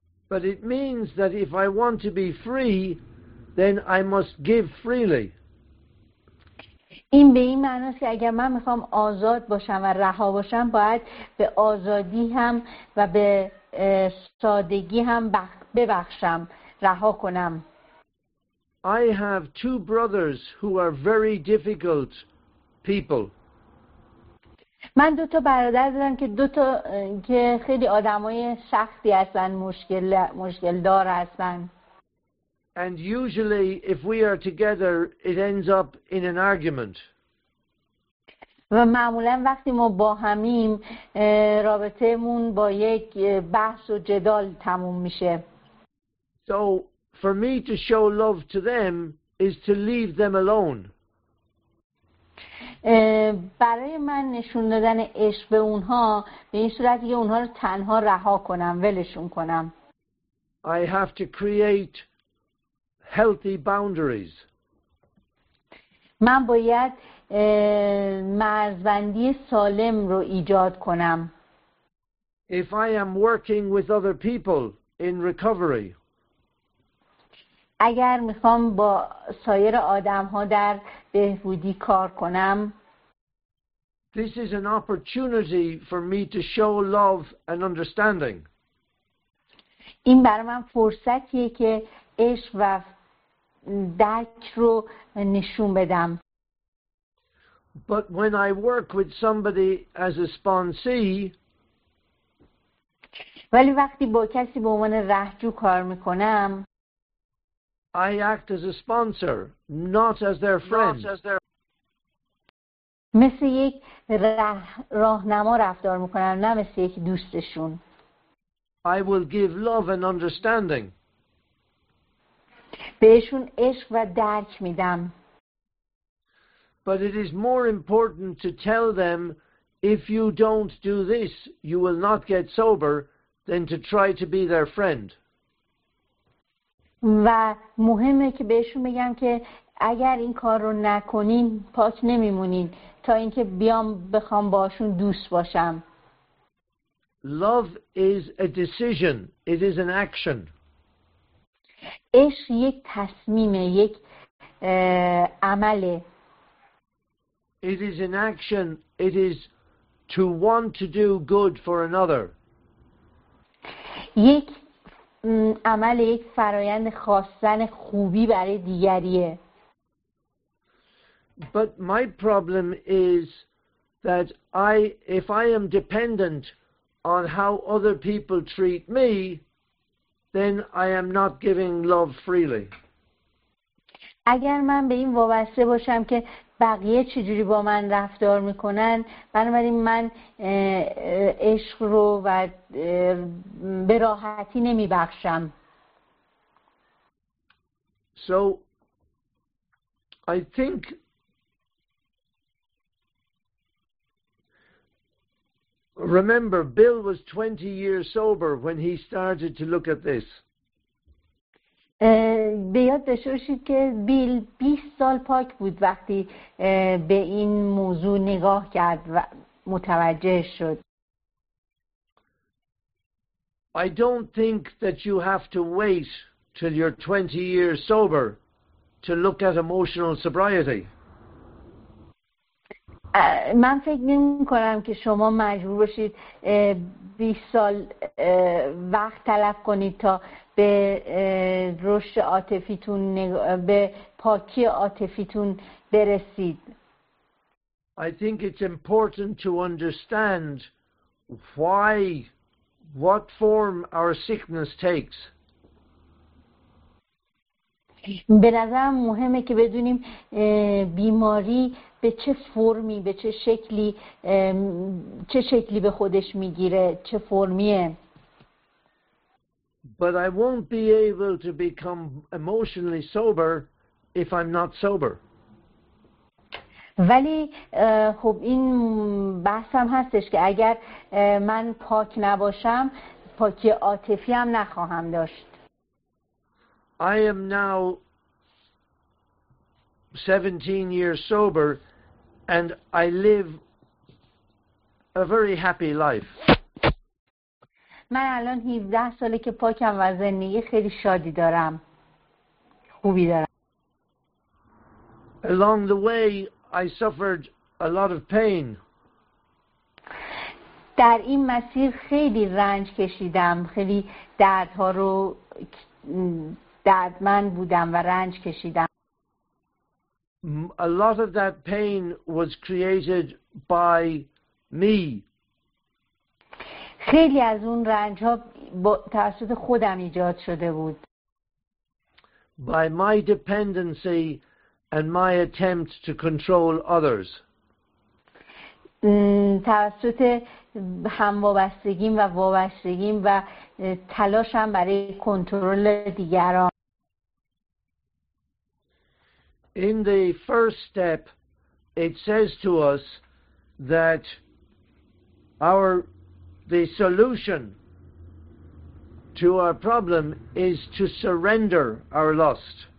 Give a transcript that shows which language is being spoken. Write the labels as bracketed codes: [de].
[en] But it means that if I want to be free, then I must give freely. [fa] این به این معنی است که اگر من میخوام آزاد باشم و رها باشم باید به آزادی هم و به سادگی هم ببخشم، رها کنم. [en] I have two brothers who are very difficult people. [fa] من دو تا برادر دارم که که خیلی آدمای سختی هستن، مشکلدار هستن. [en] And usually if we are together it ends up in an argument. [fa] و معمولا وقتی ما با همیم رابطه‌مون با یک بحث و جدال تموم میشه. [en] So for me to show love to them is to leave them alone. [fa] برای من نشون دادن عشق به اونها به این صورتی که اونها رو تنها رها کنم، ولشون کنم. [en] I have to create healthy boundaries. [fa] من باید مرزبندی سالم رو ایجاد کنم. [en] If I am working with other people in recovery. [fa] اگر میخوام با سایر آدم‌ها در بهبودی کار کنم. [en] This is an opportunity for me to show love and understanding. [fa] این برای من فرصتیه که عشق و درک رو نشون بدم. [en] But when I work with somebody as a sponsee, [fa] ولی وقتی با کسی به عنوان رهجو کار میکنم، [en] I act as a sponsor, not as their friend. [fa] مثل یک راهنما رفتار میکنم، نه مثل یک دوستشون. [en] I will give love and understanding. [fa] بهشون عشق و درک میدم. [en] But it is more important to tell them if you don't do this you will not get sober than to try to be their friend. [fa] و مهمه که بهشون بگم که اگر این کار رو نکنین پاک نمیمونین تا اینکه بیام بخوام باشون دوست باشم. [en] Love is a decision, it is an action. [fa] عشق یک تصمیمه، یک عمله. [en] It is an action. It is to want to do good for another. [fa] یک عمل یک فرایند خواستن خوبی برای دیگریه. [en] But my problem is that if I am dependent on how other people treat me, then I am not giving love freely. [fa] اگر من به این وابسته باشم که بقیه چجوری با من رفتار میکنن، بنابراین من عشق رو و به راحتی نمیبخشم. [en] So I think remember, Bill was 20 years sober when he started to look at this. [fa] به یاد داشته باشید که بیل 20 سال پاک بود وقتی به این موضوع نگاه کرد و متوجه شد. [en] I don't think that you have to wait till you're 20 years sober to look at emotional sobriety. [fa] من فکر نمی‌کنم که شما مجبور باشید 20 سال وقت تلف کنید تا به رشد عاطفیتون به پاکی عاطفیتون برسید. [en] I think it's important to understand why what form our sickness takes. [fa] به نظرم مهمه که بدونیم بیماری به چه فرمی، به چه شکلی، چه شکلی به خودش میگیره، چه فرمیه. [en] But I won't be able to become emotionally sober if I'm not sober. [fa] ولی خب این بحثم هستش که اگر من پاک نباشم، پاکی عاطفی هم نخواهم داشت. [en] I am now 17 years sober and I live a very happy life. [fa] من الان 17 ساله که پاکم و زندگی خیلی شادی دارم. خوبی دارم. [en] Along the way I suffered a lot of pain. [fa] در این مسیر خیلی رنج کشیدم. خیلی دردها رو دردمند بودم و رنج کشیدم. [en] A lot of that pain was created by me. [fa] خیلی از اون رنج ها با توسط خودم ایجاد شده بود. [en] By my dependency and my attempt to control others. [fa] توسط هم وابستگیم و وابستگیم و تلاشم برای کنترل دیگران. [en] In the first step, it says to us that the solution to our problem is to surrender our lust.